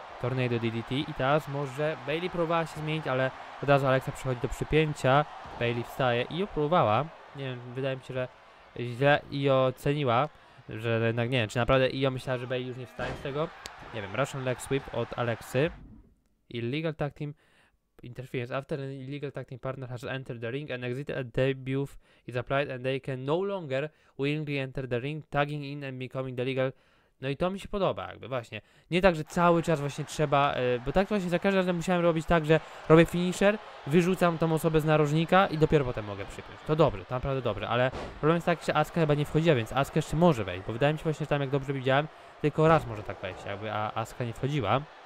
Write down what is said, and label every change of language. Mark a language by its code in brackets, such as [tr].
[pl] Tornado DDT i teraz może Bayley próbowała się zmienić, ale od razu Alexa przychodzi do przypięcia. Bayley wstaje i ją próbowała. Nie wiem, wydaje mi się, że źle Io oceniła, że jednak nie wiem, czy naprawdę Io myślała, że Bayley już nie wstaje z tego. Nie wiem, Russian Leg Sweep od Alexy. Illegal Tag Team Interference. [en] After an illegal tag team partner has entered the ring and exited a debut is applied and they can no longer willingly enter the ring, tagging in and becoming the legal. [pl] No i to mi się podoba jakby właśnie. Nie tak, że cały czas właśnie trzeba, bo tak właśnie za każdym razem musiałem robić tak, że robię finisher, wyrzucam tą osobę z narożnika i dopiero potem mogę przypiąć. To dobrze, to naprawdę dobrze, ale problem jest taki, że Asuka chyba nie wchodziła, więc Asuka jeszcze może wejść, bo wydaje mi się właśnie, że tam jak dobrze widziałem, tylko raz może tak wejść jakby, a Asuka nie wchodziła.